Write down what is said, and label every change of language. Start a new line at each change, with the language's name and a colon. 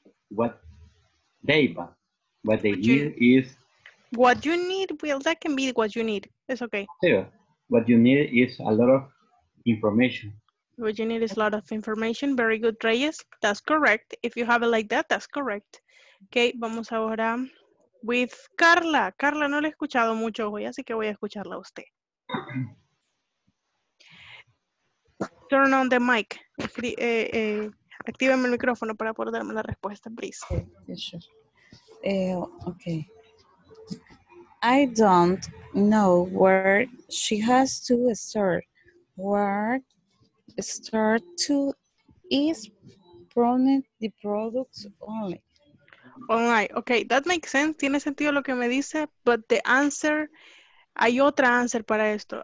English: What you need, well, that can be what you need. It's okay. Yeah. What you need is a lot of information. What you need is a lot of information. Very good, Reyes. That's correct. If you have it like that, that's correct.
Spanish: Okay, vamos ahora with Carla. Carla, no la he escuchado mucho hoy, así que voy a escucharla a usted.
English: Turn on the mic.
Spanish: Actívenme el micrófono para poder darme la respuesta, please.
English: Okay, sure. Okay. I don't know where she has to start. What start to is promote the products only. Online. Okay, that makes sense.
Spanish: Tiene sentido lo que me dice,
English: but the answer,
Spanish: hay otra answer para esto.